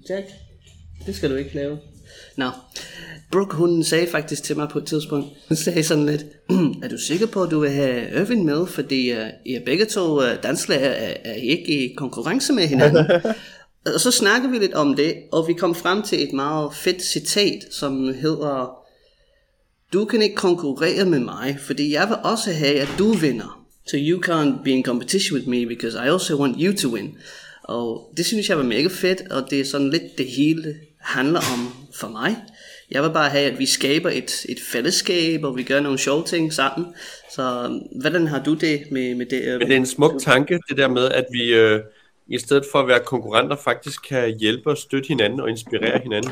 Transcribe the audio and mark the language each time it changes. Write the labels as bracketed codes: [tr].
[da] Jack, det skal du ikke lave. Nå, Brooke, hun sagde faktisk til mig på et tidspunkt, hun sagde sådan lidt, er du sikker på, at du vil have Ervin med, fordi I er begge to danslærer, er I ikke i konkurrence med hinanden? Og så snakkede vi lidt om det, og vi kom frem til et meget fedt citat, som hedder, du kan ikke konkurrere med mig, fordi jeg vil også have, at du vinder. [en] So you can't be in competition with me, because I also want you to win. [da] Og det synes jeg var mega fedt, og det er sådan lidt det hele handler om for mig. Jeg vil bare have, at vi skaber et fællesskab, og vi gør nogle sjove ting sammen. Så hvordan har du det med det? Det er en smuk tanke, det der med, at vi i stedet for at være konkurrenter, faktisk kan hjælpe og støtte hinanden og inspirere hinanden.